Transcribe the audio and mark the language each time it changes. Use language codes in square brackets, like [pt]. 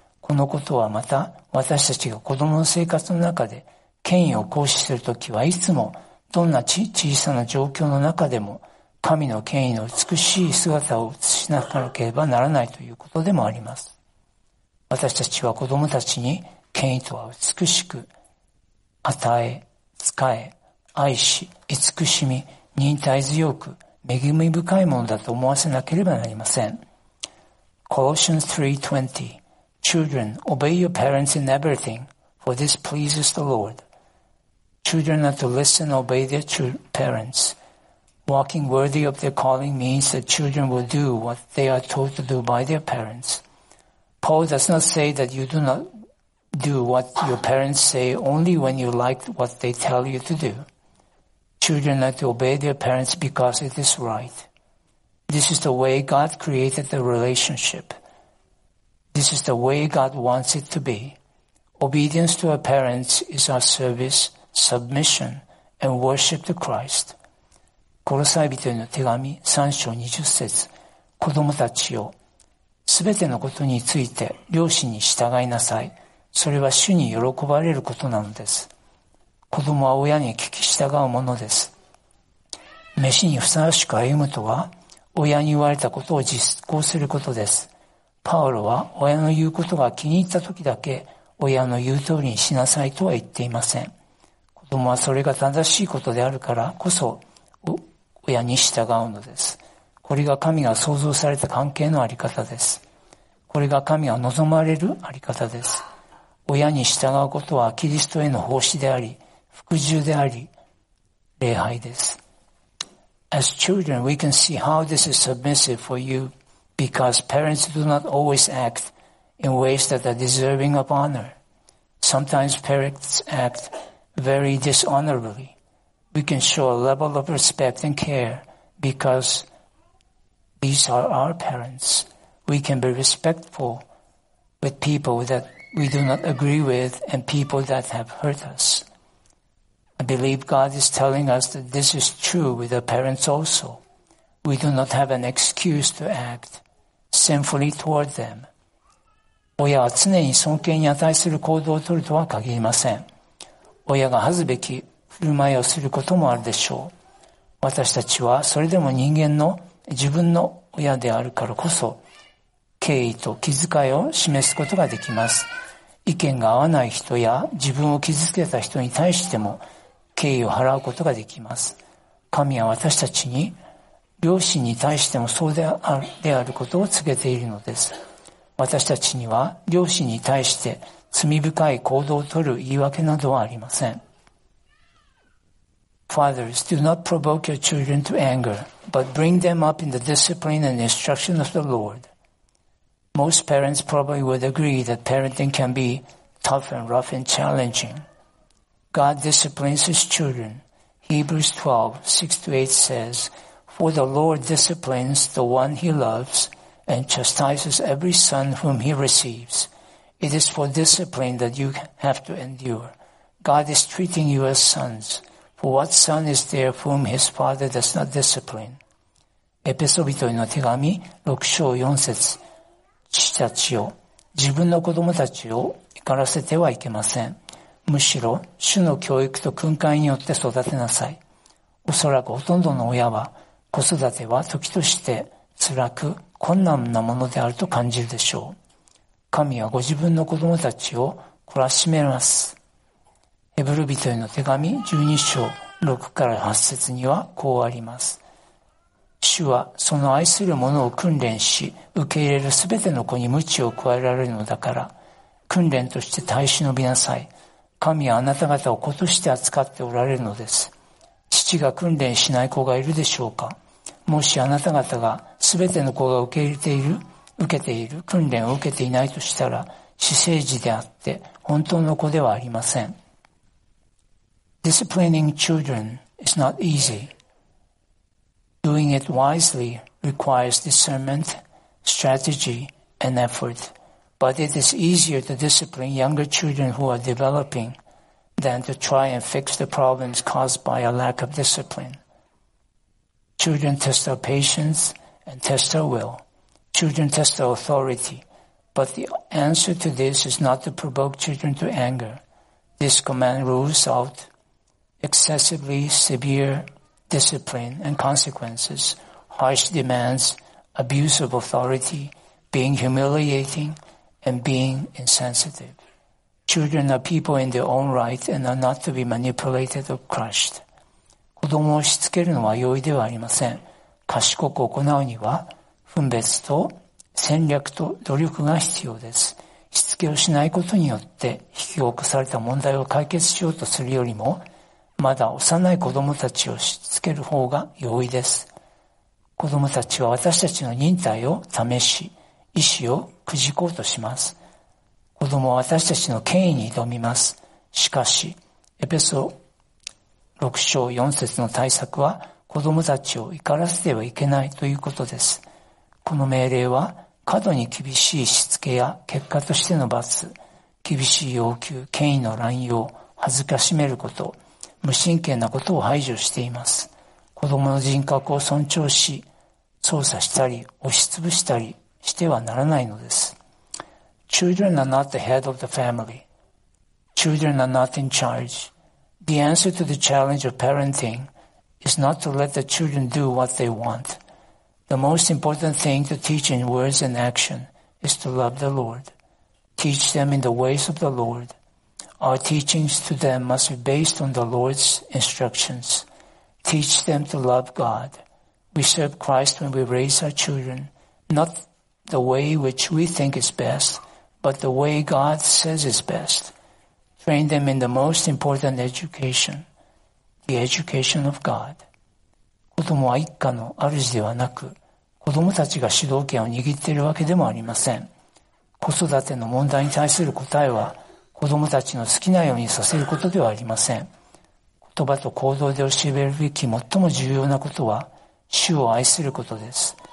[ja] このことはまた私たちが子供の生活の中で権威を行使するときはいつもどんな小さな状況の中でも神の権威の美しい姿を映しなければならないということでもあります。私たちは子供たちに権威とは美しく与え、使え、愛し、慈しみ、忍耐強く、恵み深いものだと思わせなければなりません。 [en] Colossians 3:20 Children, obey your parents in everything, for this pleases the Lord. Children are to listen and obey their parents. Walking worthy of their calling means that children will do what they are told to do by their parents. Paul does not say that you do not do what your parents say only when you like what they tell you to do. Children are to obey their parents because it is right. This is the way God created the relationship. This is the way God wants it to be. Obedience to our parents is our service, submission, and worship to Christ. [ja] コロサイ人への手紙3章20節。子供たちよ、すべてのことについて両親に従いなさい。それは主に喜ばれることなのです。子供は親に聞き従うものです。飯にふさわしく歩むとは、親に言われたことを実行することです。パウロは親の言うことが気に入った時だけ、親の言う通りにしなさいとは言っていません。子供はそれが正しいことであるからこそ、親に従うのです。これが神が創造された関係のあり方です。これが神が望まれるあり方です。親に従うことはキリストへの奉仕であり、服従であり、礼拝です。 [en] As children, we can see how this is submissive for you because parents do not always act in ways that are deserving of honor. Sometimes parents act very dishonorably. We can show a level of respect and care because these are our parents. We can be respectful with people that we do not agree with and people that have hurt us. I believe God is telling us that this is true with our parents also. We do not have an excuse to act sinfully toward them. [ja] 親は常に尊敬に値する行動をとるとは限りません。親が恥ずべき振る舞いをすることもあるでしょう。私たちはそれでも人間の自分の親であるからこそ敬意と気遣いを示すことができます。意見が合わない人や自分を傷つけた人に対しても敬意を払うことができます。神は私たちに、両親に対してもそうであることを告げているのです。私たちには、両親に対して罪深い行動をとる言い訳などはありません。 [en] Fathers, do not provoke your children to anger, but bring them up in the discipline and instruction of the Lord. Most parents probably would agree that parenting can be tough and rough and challenging. God disciplines his children. Hebrews 12:6-8 says, For the Lord disciplines the one he loves and chastises every son whom he receives. It is for discipline that you have to endure. God is treating you as sons. For what son is there whom his father does not discipline? [ja] エペソ人への手紙6章4節。父たちよ、自分の子供たちを怒らせてはいけません。むしろ主の教育と訓戒によって育てなさい。おそらくほとんどの親は子育ては時として辛く困難なものであると感じるでしょう。神はご自分の子供たちを懲らしめます。ヘブル人への手紙12章6から8節にはこうあります。主はその愛する者を訓練し、受け入れるすべての子に鞭を加えられるのだから、訓練として耐え忍びなさい。神はあなた方を子として扱っておられるのです。父が訓練しない子がいるでしょうか。もしあなた方がすべての子が受け入れている、受けている、訓練を受けていないとしたら、私生児であって本当の子ではありません。 [en] Disciplining children is not easy. Doing it wisely requires discernment, strategy, and effort. But it is easier to discipline younger children who are developing than to try and fix the problems caused by a lack of discipline. Children test our patience and test our will. Children test our authority. But the answer to this is not to provoke children to anger. This command rules out excessively severe discipline and consequences, harsh demands, abuse of authority, being humiliating, and being insensitive. Children are people in their own right and are not to be manipulated or crushed. [ja] 子供をしつけるのは容易ではありません。賢く行うには分別と戦略と努力が必要です。しつけをしないことによって引き起こされた問題を解決しようとするよりも、まだ幼い子供たちをしつける方が容易です。子供たちは私たちの忍耐を試し、意志をくじこうとします。子供は私たちの権威に挑みます。しかし、エペソ6章4節の対策は、子供たちを怒らせてはいけないということです。この命令は、過度に厳しいしつけや結果としての罰、厳しい要求、権威の乱用、恥ずかしめること、無神経なことを排除しています。子供の人格を尊重し、操作したり、押しつぶしたりしてはならないのです。 [en] Children are not the head of the family. Children are not in charge. The answer to the challenge of parenting is not to let the children do what they want. The most important thing to teach in words and action is to love the Lord. Teach them in the ways of the Lord. Our teachings to them must be based on the Lord's instructions. Teach them to love God. We serve Christ when we raise our children, not the way which we think is best, but the way God says is best. Train them in the most important education, the education of God. [ja] 子供は一家の主ではなく、子供たちが主導権を握っているわけでもありません。子育ての問題に対する答えは、子供たちの好きなようにさせることではありません。言葉と行動で教えるべき最も重要なことは、主を愛することです。